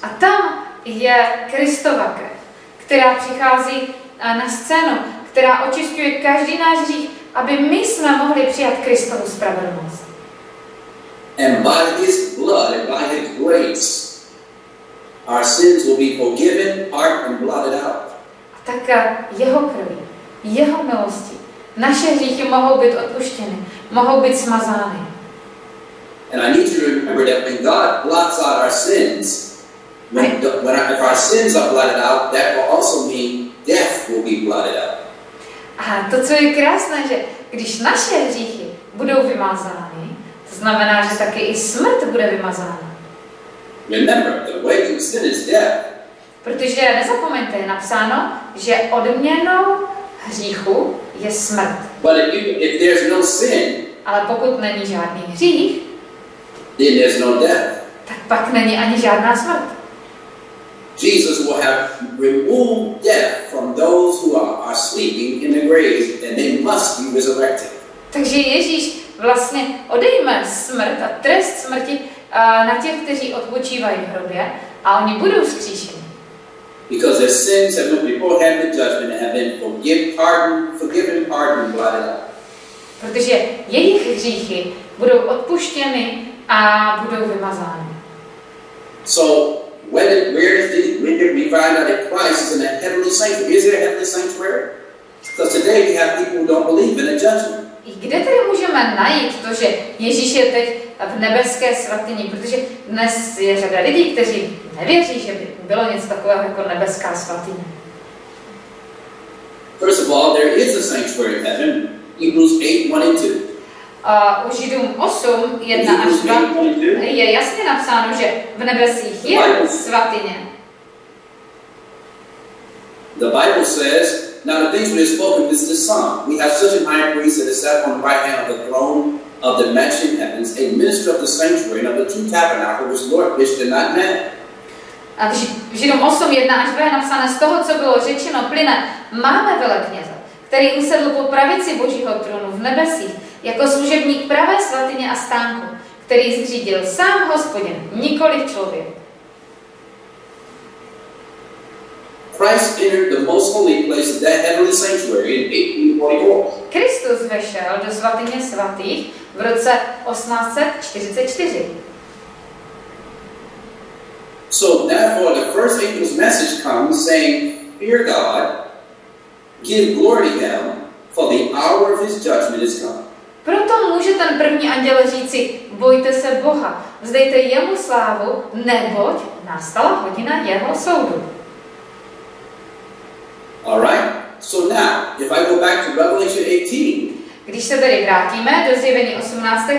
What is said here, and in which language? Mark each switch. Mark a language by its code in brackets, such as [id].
[cs] A tam je Kristova krev, která přichází na scénu, která očišťuje každý náš hřích, aby my jsme mohli přijat Kristovu spravedlnost. [en] And by his blood and by his grace, our sins will be forgiven, pardoned, and blotted out. [cs] Tak jeho krví, jeho milosti, naše hříchy mohou být odpuštěny, mohou být smazány. [en] And I need to remember that when God blots out our sins, if our sins are blotted out, that will also mean death will be blotted out. [cs] A to, co je krásné, že když naše hříchy budou vymazány, to znamená, že taky i smrt bude vymazána. [en] Remember, the wages of sin is death. [cs] Protože nezapomeňte, je napsáno, že odměnou hříchu je smrt. [en] But if there's no sin, [cs] ale pokud není žádný hřích, [en] then there's no death. [cs] Tak pak není ani žádná smrt. [en] Jesus will have removed death from those who are sleeping in the grave, and they must be resurrected. [cs] Takže Ježíš vlastně odejme smrt a trest smrti na těch, kteří odpočívají v hrobě, a oni budou vzkříšeni. [en] Because their sins have been beforehand the judgment and have been forgiven, pardoned, blotted out. [cs] Protože jejich hříchy budou odpuštěny a budou vymazány. [en] So Where did we find out that Christ is in a heavenly sanctuary? Is there a heavenly sanctuary? Because today we have people who don't believe in a judgment. [cs] Kde tedy můžeme najít to, že Ježíš je teď v nebeské svatyni? Protože dnes je řada lidí, kteří nevěří, že by bylo něco takového jako nebeská svatyně. [en] First of all, there is a sanctuary of heaven, Hebrews 8:1 and 2. [cs] U Židům 8, 1 až 2 je jasně napsáno, že v nebesích je svatyně. [en] The Bible says, now the things we have spoken, this is the Son. We have such an high priest that is sat on the right hand of the throne of the majestic heavens, a minister of the sanctuary and of the true tabernacle, which the Lord pitched in that man. [cs] A v Židům 8, 1 až 2 je napsáno, z toho, co bylo řečeno, plyne, máme velekněze, který usedl po pravici Božího trůnu v nebesích, jako služebník pravé svatyně a stánku, který zřídil sám Hospodin, nikoliv člověk. [en] Christ entered the most holy place, that heavenly sanctuary, in 1844. [cs] Kristus vešel do svatyně svatých v roce 1844. [en] So therefore, the first angel's message comes saying, "Fear God, give glory to Him, for the hour of His judgment is come." [cs] Proto může ten první anděl říci, bojte se Boha, vzdejte jemu slávu, neboť nastala hodina jeho soudu. [en] All right. So now, if I go back to Revelation 18. [cs] Když se tady vrátíme do Zjevení 18.